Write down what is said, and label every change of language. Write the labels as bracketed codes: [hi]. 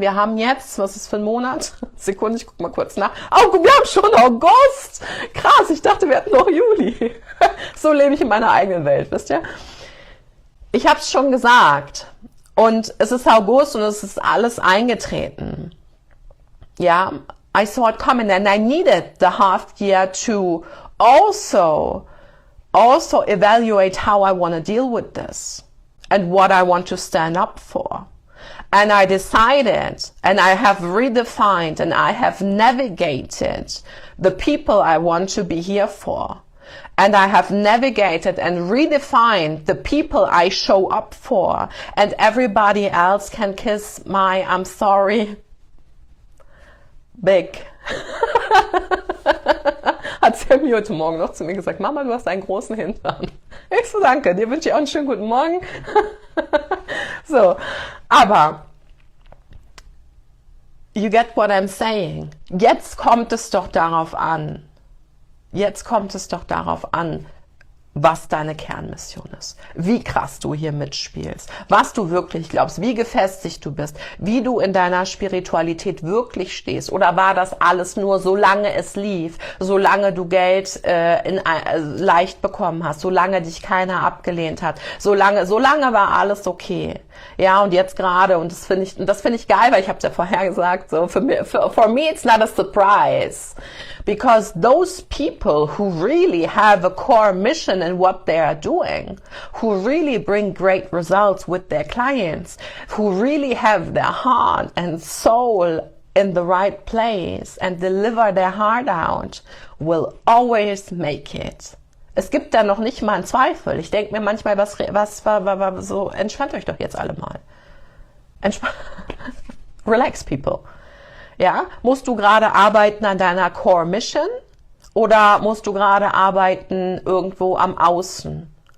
[de] Wir haben jetzt, was ist für ein Monat? Sekunde, ich guck mal kurz nach. Oh, wir haben schon August. Krass, ich dachte, wir hätten noch Juli. So lebe ich in meiner eigenen Welt, wisst ihr? Ich habe es schon gesagt. Und es ist August und es ist alles eingetreten. [en] Ja, I saw it coming and I needed the half year to also evaluate how I want to deal with this. And what I want to stand up for. And I decided and I have redefined and I have navigated the people I want to be here for. And I have navigated and redefined the people I show up for. And everybody else can kiss my, I'm sorry, big. [de] Hat Sammy heute Morgen noch zu mir gesagt, Mama, du hast einen großen Hintern. Ich so, danke, dir wünsche ich auch einen schönen guten Morgen. [en] So, [de] aber [en] you get what I'm saying. [de] Jetzt kommt es doch darauf an. Jetzt kommt es doch darauf an, was deine Kernmission ist. Wie krass du hier mitspielst. Was du wirklich glaubst. Wie gefestigt du bist. Wie du in deiner Spiritualität wirklich stehst. Oder war das alles nur, solange es lief, solange du Geld leicht bekommen hast, solange dich keiner abgelehnt hat, solange war alles okay. Ja, und jetzt gerade, und das finde ich geil, weil ich habe es ja vorher gesagt, so [en] for me it's not a surprise. Because those people who really have a core mission in what they are doing, who really bring great results with their clients, who really have their heart and soul in the right place and deliver their heart out, will always make it. [de] Es gibt da noch nicht mal einen Zweifel. Ich denke mir manchmal, so entspannt euch doch jetzt alle mal. [en] Relax, people. [de] Ja, musst du gerade arbeiten an deiner Core Mission oder musst du gerade arbeiten irgendwo am Außen?